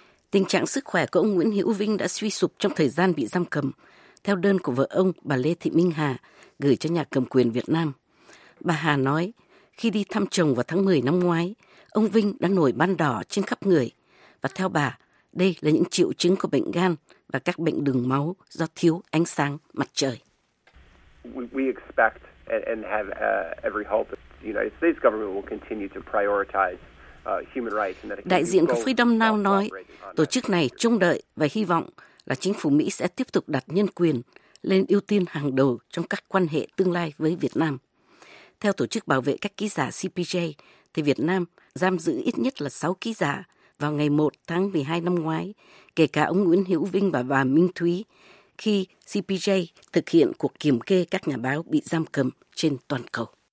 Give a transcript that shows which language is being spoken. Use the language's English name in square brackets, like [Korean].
[Vietnamese] Tình trạng sức khỏe của ông Nguyễn Hữu Vinh đã suy sụp trong thời gian bị giam cầm, theo đơn của vợ ông, bà Lê Thị Minh Hà, gửi cho nhà cầm quyền Việt Nam. Bà Hà nói, khi đi thăm chồng vào tháng 10 năm ngoái, ông Vinh đã nổi ban đỏ trên khắp người. Và theo bà, đây là những triệu chứng của bệnh gan và các bệnh đường máu do thiếu ánh sáng mặt trời. [English] We expect and have every hope that the United States government will continue to prioritize. [Vietnamese] Đại diện của Freedom Now nói, tổ chức này trông đợi và hy vọng là chính phủ Mỹ sẽ tiếp tục đặt nhân quyền lên ưu tiên hàng đầu trong các quan hệ tương lai với Việt Nam. Theo Tổ chức Bảo vệ các ký giả CPJ, thì Việt Nam giam giữ ít nhất là 6 ký giả vào ngày 1 tháng 12 năm ngoái, kể cả ông Nguyễn Hữu Vinh và bà Minh Thúy, khi CPJ thực hiện cuộc kiểm kê các nhà báo bị giam cầm trên toàn cầu.